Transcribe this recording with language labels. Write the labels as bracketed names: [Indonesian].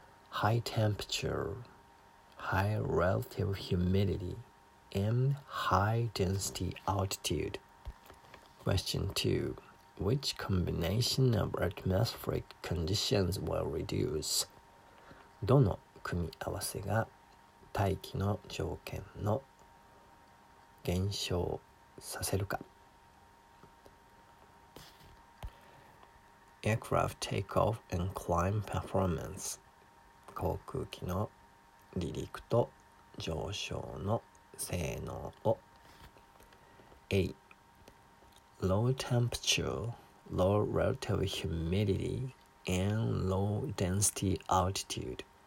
[English] High temperature, high relative humidity, and high density altitude. Question 2. Which combination of atmospheric conditions will reduce? [Japanese] どの組み合わせが大気の条件の減少させるか? [English] Aircraft takeoff and climb performance. [Japanese] 航空機の離陸と上昇の性能を。 [English] A. Low temperature, low relative humidity, and low density altitude.